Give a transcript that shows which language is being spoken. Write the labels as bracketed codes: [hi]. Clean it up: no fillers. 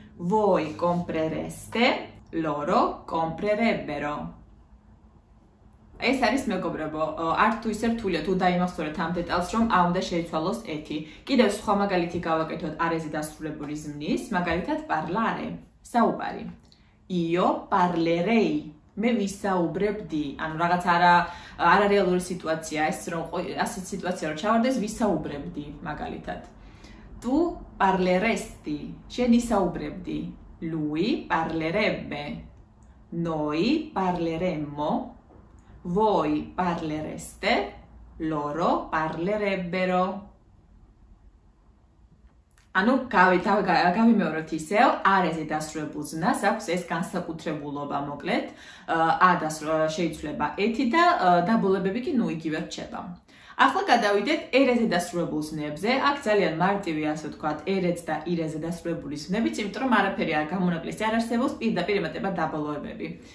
[it] Voi comprereste, loro comprerebbero. [ka] ეს არის მეგობრებო, არც თუ ისე რთულია თუ დაიმახსოვრეთ ამ დეტალს, რომ ა უნდა შეიცვალოს ეთი. Კიდევ სხვა მაგალითი გავაკეთოთ არეზე დასრულებული ზმნის, მაგალითად parlare, საუბარი. [it] Io parlerei. [ka] Მე ვისაუბრებდი, ანუ რაღაც არარეალური სიტუაცია, ეს რომ ასე სიტუაცია რომ ჩავარდეს, ვისაუბრებდი, მაგალითად. [it] Tu parleresti. [ka] Შენ ისაუბრებდი. [it] Lui parlerebbe. Noi parleremmo. Voi parlereste, loro parlerebbero. [ka] Ანუ გავიმეოროთ ისევ, არეზე დასრულებულ ზმნას აქვს ეს განსაკუთრებულობა, მოკლედ, ა შეიცვლება ეთი და დაბოლებები კი ნუ იგივე რჩება. Ახლა გადავიდეთ ერეზე დასრულებულ ზმნებზე. Აქ ძალიან მარტივი, ასე ვთქვათ, ერეც და ირეზე დასრულებული ზმნებიც, იმიტომ რომ არაფერი არ გამონაკლისი, არ არსებობს პირდაპირ ემატება დაბოლოებები.